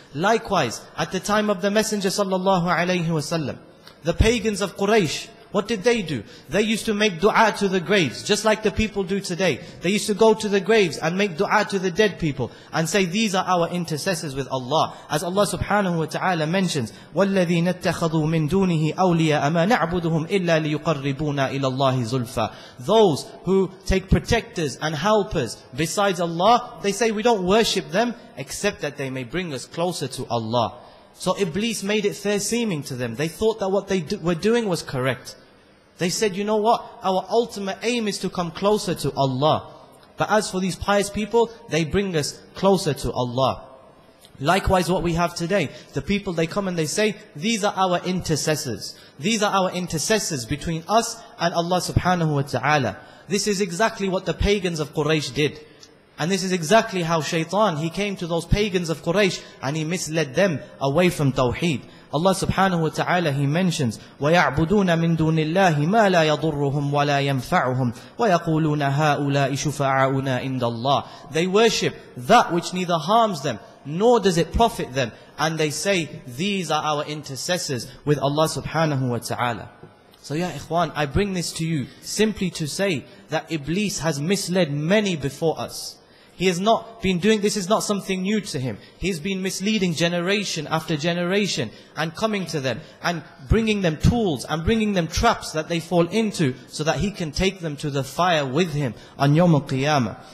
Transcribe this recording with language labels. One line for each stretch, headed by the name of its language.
English: Likewise, at the time of the Messenger sallallahu alayhi wasallam, the pagans of Quraysh, what did they do? They used to make dua to the graves, just like the people do today. They used to go to the graves and make dua to the dead people and say, these are our intercessors with Allah. As Allah subhanahu wa ta'ala mentions,
Arabic: وَالَّذِينَ اتَّخَذُوا مِن دُونِهِ أَوْلِيَاءَ مَا نَعْبُدُهُمْ إِلَّا لِيُقَرِّبُونَ إِلَى اللَّهِ زُلْفَى.
English: Those who take protectors and helpers besides Allah, they say we don't worship them except that they may bring us closer to Allah. So Iblis made it fair seeming to them. They thought that what they were doing was correct. They said, you know what? Our ultimate aim is to come closer to Allah. But as for these pious people, they bring us closer to Allah. Likewise what we have today, the people, they come and they say, these are our intercessors. These are our intercessors between us and Allah subhanahu wa ta'ala. This is exactly what the pagans of Quraysh did. And this is exactly how shaitan, he came to those pagans of Quraysh and he misled them away from Tawheed. Allah subhanahu wa ta'ala, he mentions,
Arabic: وَيَعْبُدُونَ مِن دُونِ اللَّهِ مَا لَا يَضُرُّهُمْ وَلَا يَنْفَعُهُمْ وَيَقُولُونَ هَؤُلَاءِ شُفَعَاؤُنَا عِنْدَ اللَّهِ.
English: They worship that which neither harms them, nor does it profit them. And they say, these are our intercessors with Allah subhanahu wa ta'ala. So ya ikhwan, I bring this to you simply to say that Iblis has misled many before us. He has not been doing, this is not something new to him. He's been misleading generation after generation and coming to them and bringing them tools and bringing them traps that they fall into so that he can take them to the fire with him on Yawm al-Qiyamah.